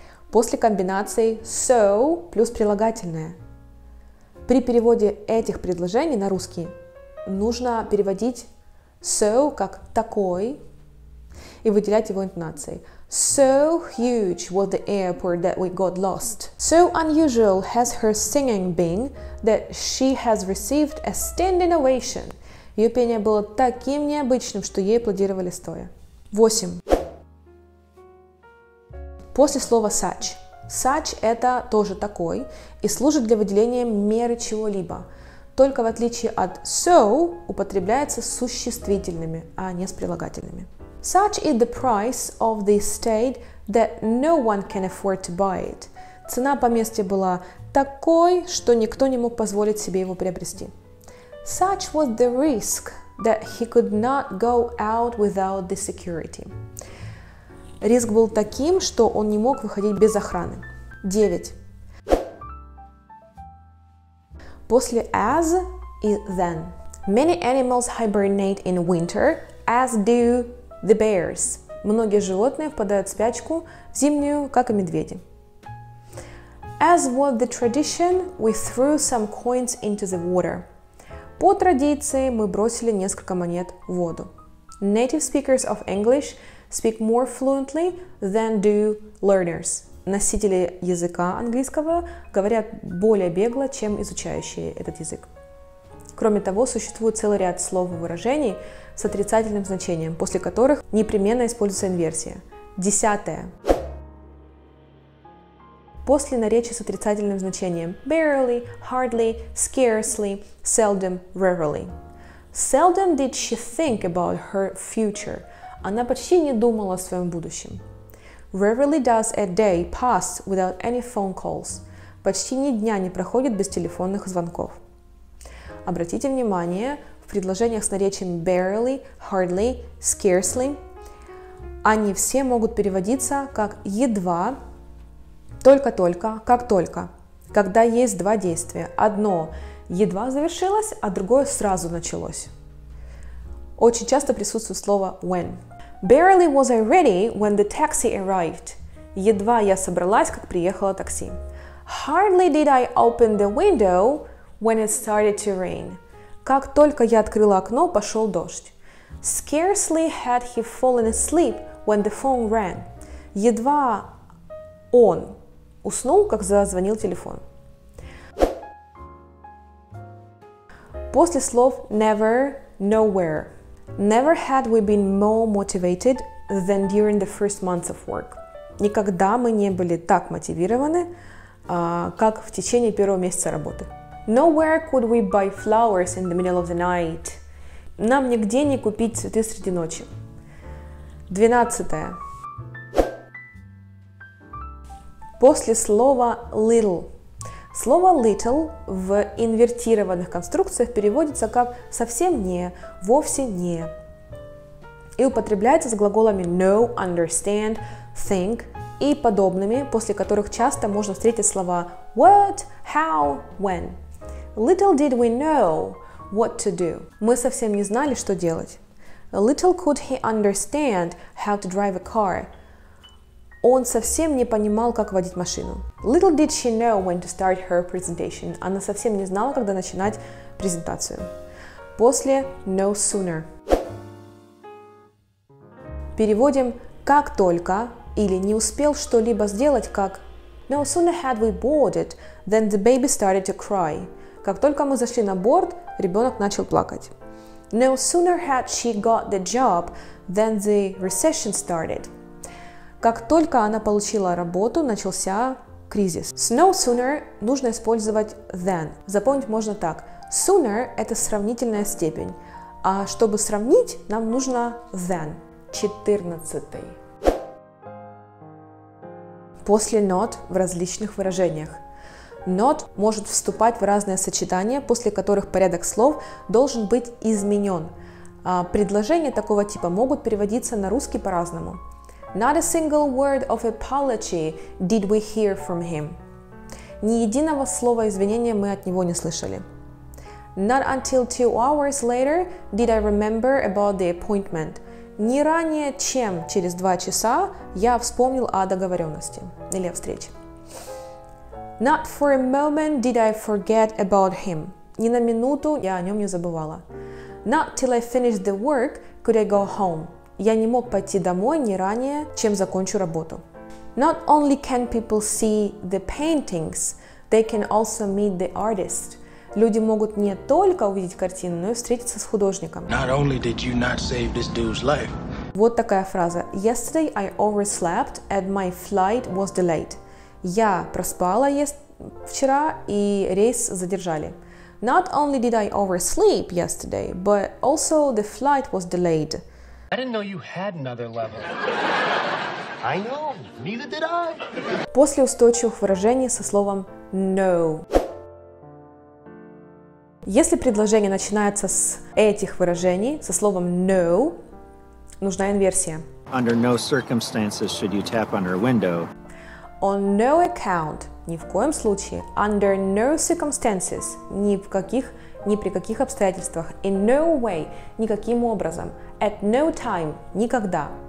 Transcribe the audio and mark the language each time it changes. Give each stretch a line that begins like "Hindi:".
Russian: После комбинации so плюс прилагательное. При переводе этих предложений на русский нужно переводить so как такой и выделять его интонацией.
English: So huge was the airport that we got lost. So unusual has her singing been that she has received a standing ovation.
Russian: Ее пение было таким необычным, что ей аплодировали стоя. 8. После слова such. Such – это тоже такой и служит для выделения меры чего-либо. Только в отличие от so употребляется с существительными, а не с прилагательными.
English: Such is the price of the estate that no one can afford to buy it.
Russian: Цена поместья была такой, что никто не мог позволить себе его приобрести.
English: Such was the risk that he could not go out without the security.
Russian: Риск был таким, что он не мог выходить без охраны. 9. После as и then.
English: Many animals hibernate in winter, as do the bears.
Russian: Многие животные впадают в спячку в зимнюю, как и медведи.
English: As was the tradition, we threw some coins into the water.
Russian: По традиции мы бросили несколько монет в воду.
English: Native speakers of English speak more fluently than do learners.
Russian: носители языка английского говорят более бегло, чем изучающие этот язык. Кроме того, существует целый ряд слов и выражений с отрицательным значением, после которых непременно используется инверсия. Десятое. После наречия с отрицательным значением barely, hardly, scarcely, seldom, rarely.
English: Seldom did she think about her future.
Russian: Она почти не думала о своем будущем.
English: Rarely does a day pass without any phone calls.
Russian: Почти ни дня не проходит без телефонных звонков. Обратите внимание, в предложениях с наречием barely, hardly, scarcely они все могут переводиться как едва, только-только, как только, когда есть два действия. Одно едва завершилось, а другое сразу началось. Очень часто присутствует слово when.
English: Barely was I ready when the taxi arrived.
Russian: Едва я собралась, как приехало такси.
English: Hardly did I open the window when it started to rain.
Russian: Как только я открыла окно, пошел дождь.
English: Scarcely had he fallen asleep when the phone rang.
Russian: Едва он уснул, как зазвонил телефон. После слов never, nowhere.
English: Never had we been more motivated than during the first months of work.
Russian: Никогда мы не были так мотивированы, как в течение первого месяца работы.
English: Nowhere could we buy flowers in the middle of the night.
Russian: Нам нигде не купить цветы среди ночи. 12. После слова little. Слово little в инвертированных конструкциях переводится как совсем не, вовсе не. И употребляется с глаголами know, understand, think и подобными, после которых часто можно встретить слова what, how, when.
English: Little did we know what to do.
Russian: Мы совсем не знали, что делать.
English: Little could he understand how to drive a car.
Russian: Он совсем не понимал, как водить машину.
English: Little did she know when to start her presentation.
Russian: Она совсем не знала, когда начинать презентацию. После no sooner. Переводим как только или не успел что-либо сделать, как
English: no sooner had we boarded than the baby started to cry.
Russian: Как только мы зашли на борт, ребенок начал плакать.
English: No sooner had she got the job than the recession started.
Russian: Как только она получила работу, начался кризис. С no sooner нужно использовать than. Запомнить можно так. Sooner – это сравнительная степень. А чтобы сравнить, нам нужно than. 14. После not в различных выражениях. Not может вступать в разные сочетания, после которых порядок слов должен быть изменен. Предложения такого типа могут переводиться на русский по-разному.
English: Not a single word of apology did we hear from him.
Russian: Ни единого слова извинения мы от него не слышали.
English: Not until 2 hours later did I remember about the appointment.
Russian: Не ранее, чем через 2 часа я вспомнил о договоренности или о встрече.
English: Not for a moment did I forget about him.
Russian: Ни на минуту я о нем не забывала.
English: Not till I finished the work could I go home.
Russian: Я не мог пойти домой не ранее, чем закончу работу.
English: Not only can people see the paintings, they can also meet the artist.
Russian: Люди могут не только увидеть картину, но и встретиться с художником.
English: Not only did you not save this dude's life.
Russian: Вот такая фраза.
English: Yesterday I overslept and my flight was delayed.
Russian: Я проспала вчера, и рейс задержали.
English: Not only did I oversleep yesterday, but also the flight was delayed. I didn't know you had another level. I know, neither did I.
Russian: После устойчивых выражений со словом no. Если предложение начинается с этих выражений, со словом no, нужна инверсия.
English: Under no circumstances should you tap under a window. On no account,
Russian: ни в коем случае,
English: under no circumstances,
Russian: ни в каких, ни при каких обстоятельствах,
English: in no way,
Russian: никаким образом,
English: at no time,
Russian: никогда.